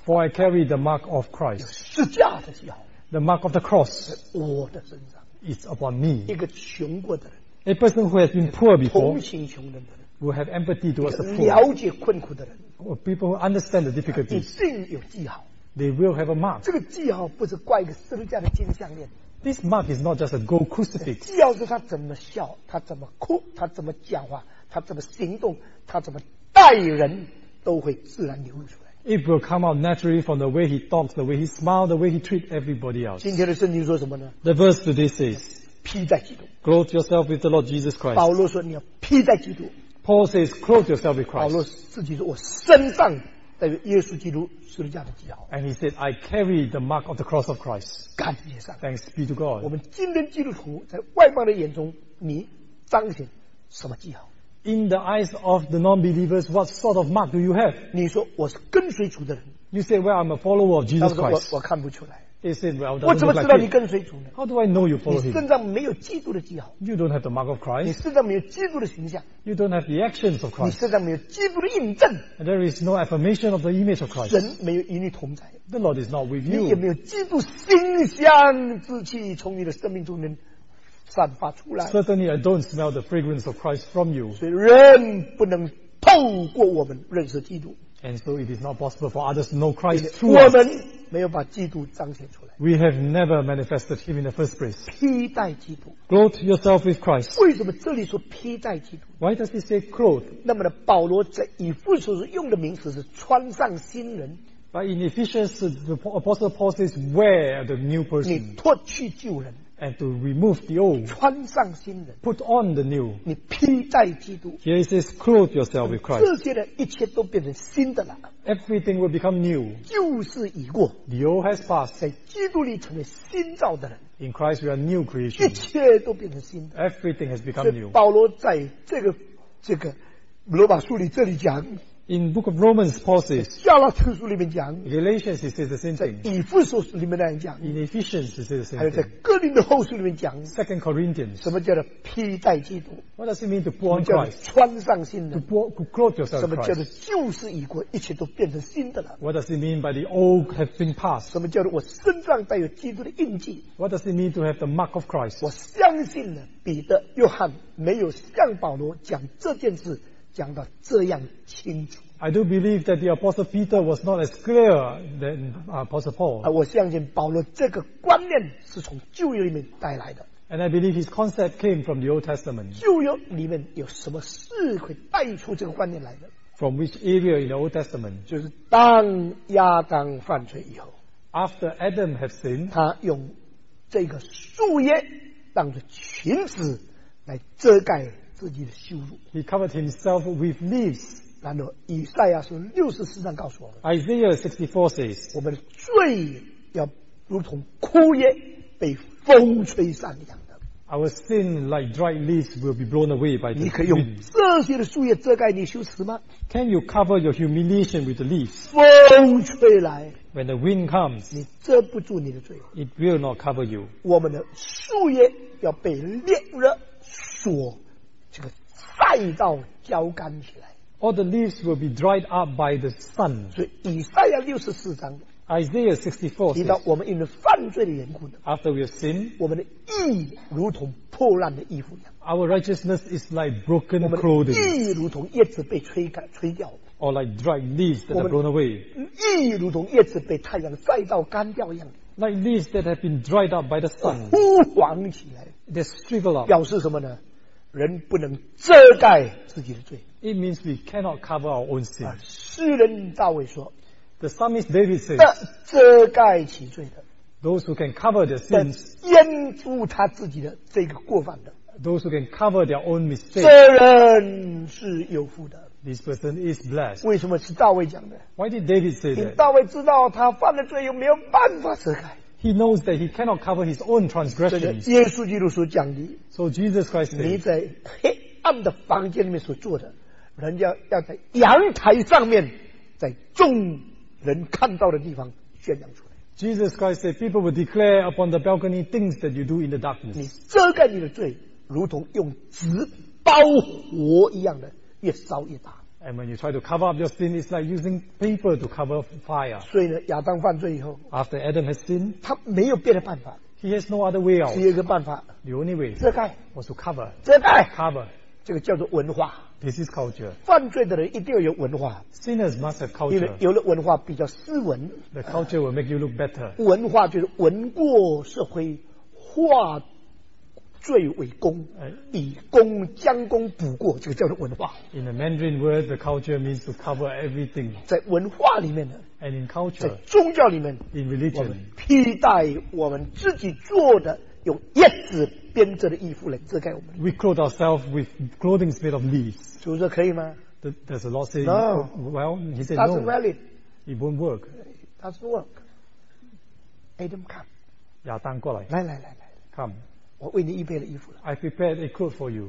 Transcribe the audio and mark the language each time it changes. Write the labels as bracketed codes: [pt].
[en] For I carry the mark of Christ. [zh] 十字架的记号。 [en] The mark of the cross is upon me. [zh] 一个穷过的人 [en] A person who has been poor before [zh] 同情穷人的人 [en] will have empathy towards the poor. [zh] 了解困苦的人 [en] or people who understand the difficulties. [zh] 一定有记号 [en] They will have a mark. [zh] 这个记号不是挂一个十字架的金项链 [en] This mark is not just a gold crucifix. [zh] 记号是他怎么笑他怎么哭他怎么讲话他怎么行动他怎么待人都会自然流露出来 [en] It will come out naturally from the way he talks, the way he smiles, the way he treats everybody else. [zh] 今天的圣经说什么呢? [en] The verse today says, [zh] 披在基督。 [en] Clothe yourself with the Lord Jesus Christ. [zh] 保罗说你要披在基督。 [en] Paul says, clothe yourself with Christ. [zh] 保罗自己说我身上带着耶稣基督十字架的记号。 [en] And he said, I carry the mark of the cross of Christ. [zh] 感谢上。 [en] Thanks be to God. [zh] 我们今天基督徒在外邦的眼中你彰显什么记号。 [en] In the eyes of the non-believers, what sort of mark do you have? [zh] 你说我是跟随主的人。 [en] You say, well, I'm a follower of Jesus Christ. [zh] 我看不出来。 [en] They said, well, I don't know. [zh] 我怎么知道你跟随主呢? [en] How do I know you follow him? [zh] 你身上没有基督的记号。 [en] You don't have the mark of Christ. [zh] 你身上没有基督的形象。 [en] You don't have the actions of Christ. [zh] 你身上没有基督的印证。 [en] There is no affirmation of the image of Christ. [zh] 神没有与你同在。 [en] The Lord is not with you. [zh] 你也没有基督馨香之气从你的生命中能散发出来。 [en] Certainly, I don't smell the fragrance of Christ from you. [zh] 所以人不能透过我们认识基督。 [en] And so it is not possible for others to know Christ through us. [zh] 我们没有把基督彰显出来。 [en] We have never manifested him in the first place. [zh] 披戴基督。 [en] Clothe yourself with Christ. [zh] 为什么这里说披戴基督？ [en] Why does it say clothe? [zh] 那么呢，保罗在以弗所书用的名词是穿上新人。 [en] But in Ephesians, the Apostle Paul says, wear the new person. [zh] 你脱去旧人。 [en] And to remove the old. [zh] 穿上新人。 [en] Put on the new. [zh] 你披戴基督。 [en] Here it says, clothe yourself with Christ. [zh] 这些的一切都变成新的了。 [en] Everything will become new. [zh] 旧事已过。 [en] The old has passed. [zh] 在基督里成为新造的人。 [en] In Christ we are new creation. [zh] 一切都变成新的。 [en] Everything has become new. [zh] 保罗在这个罗马书里这里讲。 [en] In the book of Romans, Paul says, [zh] 加拉特书里面讲, [en] Galatians, he says the same thing. [zh] 在以弗所书里面那样讲, [en] In Ephesians, he says the same thing. [zh] 还有在哥林多后书里面讲, [en] 2 Corinthians. [zh] 什么叫做披戴基督? [en] What does it mean to put on Christ? [zh] 什么叫穿上新人? [en] To clothe yourself [zh] Christ. 什么叫做旧事已过, 一切都变成新的了? [en] What does it mean by the old have been passed? [zh] 什么叫做我身上带有基督的印记? [en] What does it mean to have the mark of Christ? [zh] 我相信了彼得、约翰没有像保罗讲这件事讲到这样清楚。 [en] I do believe that the Apostle Peter was not as clear than Apostle Paul. [zh] 我相信保罗这个观念是从旧约里面带来的。 [en] And I believe his concept came from the Old Testament. [zh] 旧约里面有什么事会带出这个观念来的？ [en] From which area in the Old Testament? [zh] 就是当亚当犯罪以后。 [en] After Adam had sinned. [zh] 他用这个树叶当作裙子来遮盖。 [en] He covered himself with leaves. [zh] 然后以赛亚书六十四章告诉我们 [en] Isaiah 64 says, [zh] 我们的罪要如同枯叶被风吹散一样的。 [en] Our sin like dry leaves will be blown away by the wind. [zh] 你可以用这些的树叶遮盖你羞耻吗？ [en] Can you cover your humiliation with the leaves? [zh] 风吹来 [en] When the wind comes, [zh] 你遮不住你的罪。 [en] It will not cover you. [zh] 我们的树叶要被烈日所这个晒到焦干起来。 [en] All the leaves will be dried up by the sun. [zh] 所以以赛亚六十四章 [en] Isaiah 64 [zh] 提到我们因为犯罪的缘故呢 [en] After we have sinned, [zh] 我们的义如同破烂的衣服一样。 [en] Our righteousness is like broken clothing. [zh] 我们的义如同叶子被吹干吹掉。 [en] Or like dried leaves that have blown away. [zh] 义如同叶子被太阳晒到干掉一样。 [en] Like leaves that have been dried up by the sun. [zh] 枯黄起来。 [en] They shrivel up. [zh] 表示什么呢？人不能遮盖自己的罪。 [en] It means we cannot cover our own sin. [zh] 诗人大卫说 [en] ，The psalmist David says, [zh] 遮盖起罪的 [en] ，Those who can cover their sins, [zh] 掩住他自己的这个过犯的 [en] ，Those who can cover their own mistakes, [zh] 这人是有福的。 [en] This person is blessed. [zh] 为什么是大卫讲的 [en] ？Why did David say that? [zh] 大卫知道他犯了罪，又没有办法遮盖。 [en] He knows that he cannot cover his own transgressions. [zh] 这是耶稣基督所讲的。 [en] So Jesus Christ says, [zh] 你在黑暗的房间里面所做的，人家要在阳台上面，在众人看到的地方宣扬出来。 [en] Jesus Christ said, people will declare upon the balcony things that you do in the darkness. [zh] 你遮盖你的罪，如同用纸包火一样的，越烧越大。 [en] And when you try to cover up your sin, it's like using paper to cover fire. [zh] 所以呢，亚当犯罪以后 [en] ，After Adam has sinned, [zh] 他没有别的办法。 [en] He has no other way out. [zh] 只有一个办法 [en] ，The only way [zh] 遮盖 [en] was to cover. [zh] 遮盖 [en] cover [zh] 这个叫做文化。 [en] This is culture. [zh] 犯罪的人一定要有文化。 [en] Sinners must have culture. [zh] 因为有了文化，比较斯文。 [en] The culture will make you look better. [zh] 文化就是文过社会，化罪为功，以功将功补过，这个叫做文化。 [en] In the Mandarin word, the culture means to cover everything. [zh] 在文化里面呢 [en] ，and in culture， [zh] 在宗教里面 [en] ，in religion， [zh] 我们披戴我们自己做的用叶子编织的衣服来遮盖我们。 [en] We clothe ourselves with clothing made of leaves. [zh] 主说可以吗 [en] ？Does the Lord say no? Well, he said no. Doesn't valid. It won't work. Doesn't work. Adam, come. [zh] 亚当过来。来来来来。 [en] Come. [zh] 我为你预备了衣服了。 [en] I prepared a cloth for you.